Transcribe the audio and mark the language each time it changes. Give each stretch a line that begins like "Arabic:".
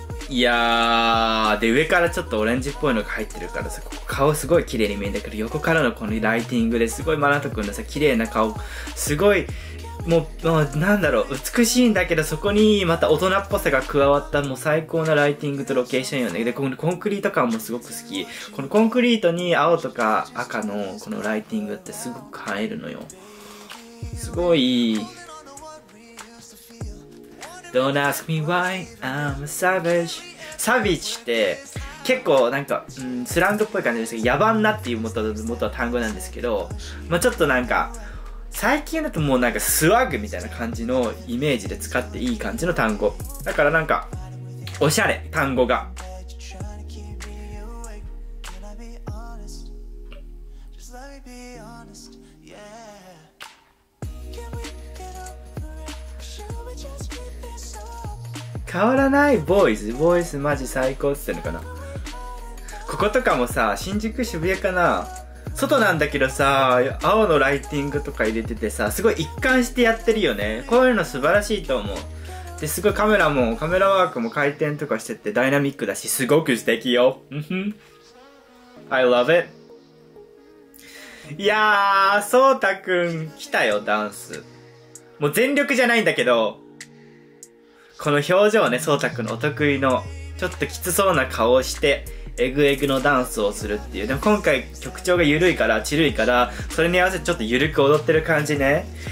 Japanese: いやー、で、上からちょっとオレンジっぽいのが入ってるからさ、ここ顔すごい綺麗に見えたけど、横からのこのライティングですごいマナトくんのさ綺麗な顔、すごいもうなんだろう、美しいんだけど、そこにまた大人っぽさが加わった、もう最高なライティングとロケーションよね。で、このコンクリート感もすごく好き。このコンクリートに青とか赤のこのライティングってすごく映えるのよ。すごい。
English: Don't ask me why I'm a savage.
Japanese: Savage って結構なんか、スラングっぽい感じですけど、野蛮なっていう元は単語なんですけど、まぁ、ちょっとなんか、最近だともうなんかスワグみたいな感じのイメージで使っていい感じの単語。だからなんか、おしゃれ、単語が。変わらないボーイズマジ最高っつってのかな。こことかもさ、新宿渋谷かな、外なんだけどさ、青のライティングとか入れててさ、すごい一貫してやってるよね。こういうの素晴らしいと思う。で、すごいカメラワークも回転とかしててダイナミックだし、すごく素敵よ。
English: うふん、 I love it。
Japanese: いやー、ソータくん来たよ、ダンスもう全力じゃないんだけど、この表情ね、ソータくんのお得意の、ちょっときつそうな顔をして、エグエグのダンスをするっていう。でも今回曲調が緩いから、チルいから、それに合わせてちょっと緩く踊ってる感じね。